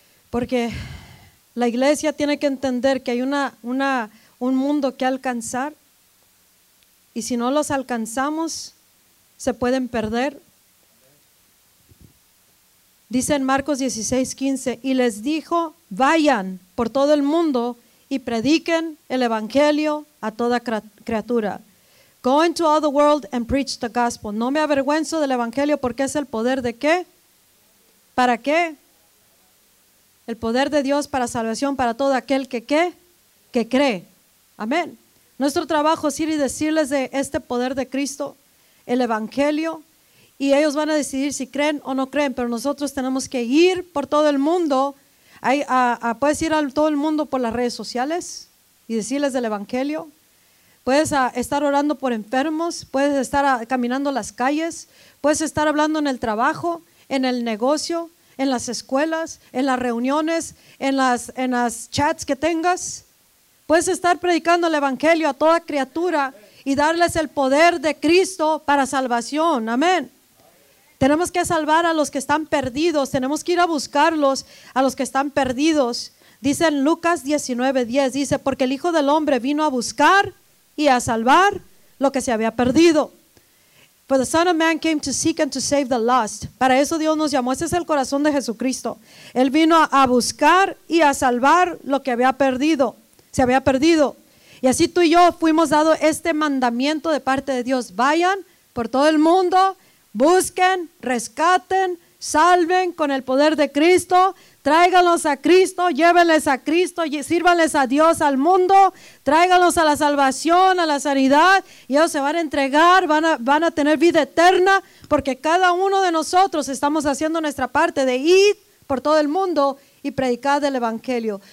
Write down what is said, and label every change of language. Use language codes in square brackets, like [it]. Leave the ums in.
[es] Porque la iglesia tiene que entender que hay una, una, un mundo que alcanzar y si no los alcanzamos, se pueden perder Dice en Marcos 16, 15, y les dijo, vayan por todo el mundo y prediquen el Evangelio a toda criatura. [en] Go into all the world and preach the gospel. [es] No me avergüenzo del Evangelio porque es el poder de qué? ¿Para qué? El poder de Dios para salvación para todo aquel que qué? Que cree. Amén. Nuestro trabajo es ir y decirles de este poder de Cristo, el Evangelio, y ellos van a decidir si creen o no creen, pero nosotros tenemos que ir por todo el mundo. Hay, a, a, puedes ir a todo el mundo por las redes sociales y decirles del Evangelio. Puedes a, estar orando por enfermos, puedes estar caminando las calles, puedes estar hablando en el trabajo, en el negocio, en las escuelas, en las reuniones, en las, en las chats que tengas. Puedes estar predicando el Evangelio a toda criatura y darles el poder de Cristo para salvación. Amén. Tenemos que salvar a los que están perdidos, tenemos que ir a buscarlos, a los que están perdidos. Dice en Lucas 19:10, dice, porque el Hijo del Hombre vino a buscar y a salvar lo que se había perdido. [en] For the Son of Man came to seek and to save the lost. [es] Para eso Dios nos llamó. Ese es el corazón de Jesucristo. Él vino a buscar y a salvar lo que había perdido. Se había perdido. Y así tú y yo fuimos dado este mandamiento de parte de Dios. Vayan por todo el mundo busquen, rescaten, salven con el poder de Cristo, tráiganlos a Cristo, llévenles a Cristo, sírvanles a Dios, al mundo, tráiganlos a la salvación, a la sanidad, y ellos se van a entregar, van a, van a tener vida eterna, porque cada uno de nosotros estamos haciendo nuestra parte de ir por todo el mundo y predicar el Evangelio.